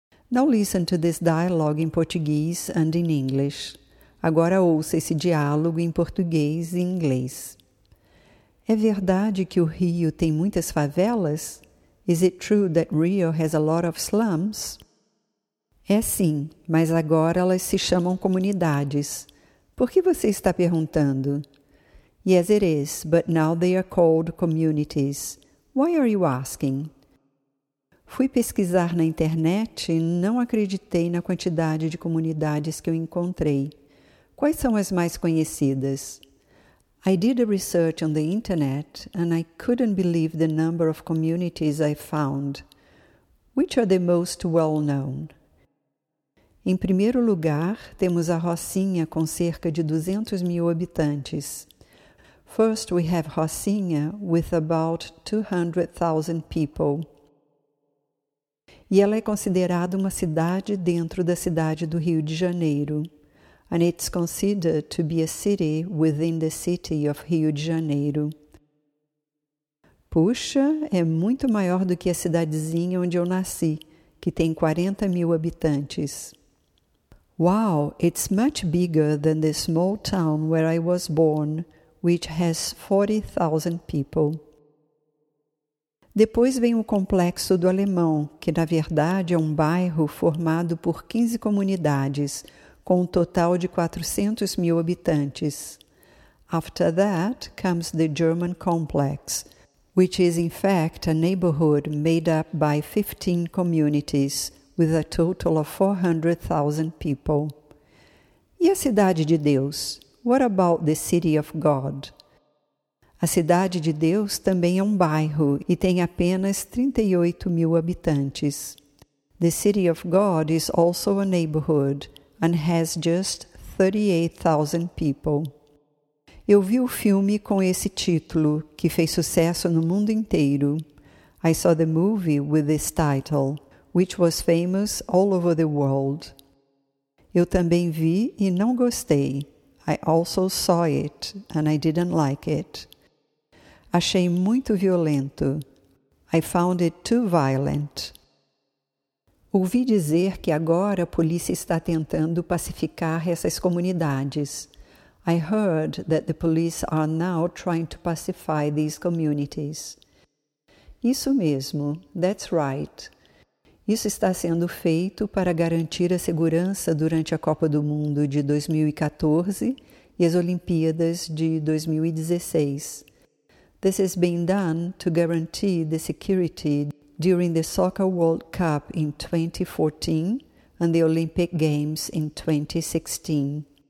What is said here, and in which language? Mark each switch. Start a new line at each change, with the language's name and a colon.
English: Now listen to this dialogue in Portuguese and in English.
Portuguese: Agora ouça esse diálogo em português e inglês. É verdade que o Rio tem muitas favelas?
English: Is it true that Rio has a lot of slums?
Portuguese: É sim, mas agora elas se chamam comunidades. Por que você está perguntando?
English: Yes, it is, but now they are called communities. Why are you asking?
Portuguese: Fui pesquisar na internet e não acreditei na quantidade de comunidades que eu encontrei. Quais são as mais conhecidas?
English: I did a research on the internet and I couldn't believe the number of communities I found. Which are the most well known?
Portuguese: Em primeiro lugar, temos a Rocinha com cerca de 200 mil habitantes.
English: First, we have Rocinha with about 200,000 people.
Portuguese: E ela é considerada uma cidade dentro da cidade do Rio de Janeiro.
English: And it's considered to be a city within the city of Rio de Janeiro.
Portuguese: Puxa, é muito maior do que a cidadezinha onde eu nasci, que tem 40 mil habitantes.
English: Wow, it's much bigger than the small town where I was born, which has 40,000 people.
Portuguese: Depois vem o Complexo do Alemão, que na verdade é um bairro formado por 15 comunidades, com um total de 400 mil habitantes.
English: After that comes the German Complex, which is in fact a neighborhood made up by 15 communities, with a total of 400,000 people.
Portuguese: E a Cidade de Deus?
English: What about the City of God?
Portuguese: A Cidade de Deus também é um bairro e tem apenas 38 mil habitantes.
English: The City of God is also a neighborhood and has just 38,000 people.
Portuguese: Eu vi o filme com esse título, que fez sucesso no mundo inteiro.
English: I saw the movie with this title, which was famous all over the world.
Portuguese: Eu também vi e não gostei.
English: I also saw it and I didn't like it.
Portuguese: Achei muito violento.
English: I found it too violent.
Portuguese: Ouvi dizer que agora a polícia está tentando pacificar essas comunidades.
English: I heard that the police are now trying to pacify these communities.
Portuguese: Isso mesmo,
English: that's right.
Portuguese: Isso está sendo feito para garantir a segurança durante a Copa do Mundo de 2014 e as Olimpíadas de 2016.
English: This has been done to guarantee the security during the Soccer World Cup in 2014 and the Olympic Games in 2016.